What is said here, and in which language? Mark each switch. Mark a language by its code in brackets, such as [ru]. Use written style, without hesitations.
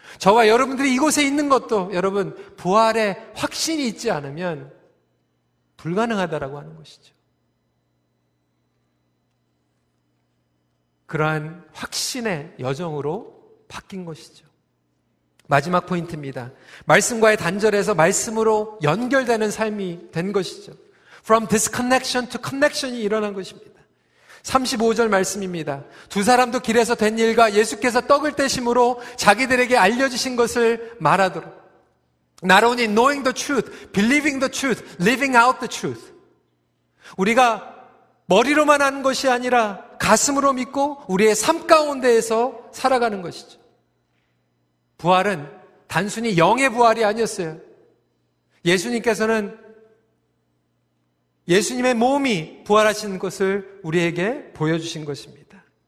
[ko] 저와 여러분들이 이곳에 있는 것도 여러분 부활의 확신이 있지 않으면 불가능하다라고 하는 것이죠. 그러한 확신의 여정으로 바뀐 것이죠. 마지막 포인트입니다. 말씀과의 단절에서 말씀으로 연결되는 삶이 된 것이죠. [en] From disconnection to connection이 [ko] 일어난 것입니다. 35절 말씀입니다. 두 사람도 길에서 된 일과 예수께서 떡을 떼심으로 자기들에게 알려주신 것을 말하도록. [en] Not only knowing the truth, believing the truth, living out the truth. [ko] 우리가 머리로만 하는 것이 아니라 가슴으로 믿고 우리의 삶 가운데에서 살아가는 것이죠. 부활은 단순히 영의 부활이 아니었어요. 예수님께서는 예수님의 몸이 부활하신 것을 우리에게 보여주신 것입니다.